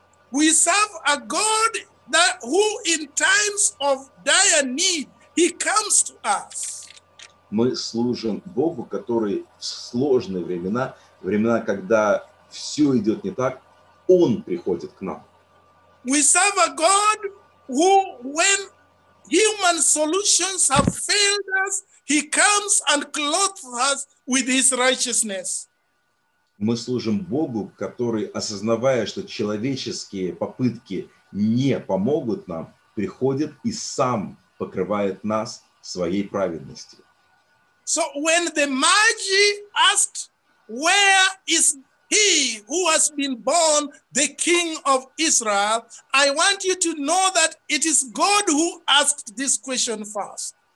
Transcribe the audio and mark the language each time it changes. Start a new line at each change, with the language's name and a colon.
English: We serve a God that who in times of dire need he comes to us.
Russian: Мы служим Богу, который в сложные времена, времена, когда все идет не так, Он приходит к нам.
English: We serve a God who, when human solutions have failed us, He comes and clothes us with His righteousness.
Russian: Мы служим Богу, который, осознавая, что человеческие попытки не помогут нам, приходит и сам покрывает нас своей праведностью.
English: So when the Magi asked, "Where is he who has been born the king of Israel?" I want you to know that it is God who asked this question first.